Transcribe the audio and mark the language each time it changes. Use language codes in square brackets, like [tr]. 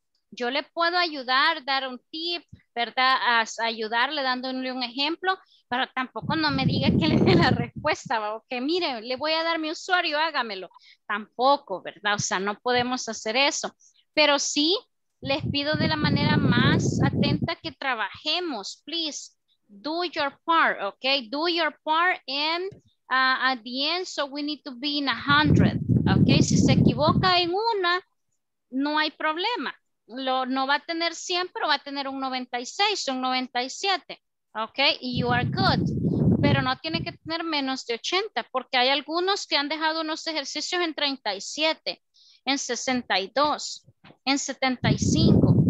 [es] Yo le puedo ayudar, dar un tip, ¿verdad?, a ayudarle dándole un ejemplo, pero tampoco no me diga que le dé la respuesta, o que mire, le voy a dar mi usuario, hágamelo. Tampoco, ¿verdad? O sea, no podemos hacer eso, pero sí les pido de la manera más atenta que trabajemos, please. [en] Do your part, okay? Do your part, and at the end, so we need to be in 100, okay? [es] Si se equivoca en una, no hay problema. No va a tener 100, pero va a tener un 96, un 97, okay? Y [en] you are good. [es] Pero no tiene que tener menos de 80, porque hay algunos que han dejado unos ejercicios en 37, en 62, en 75.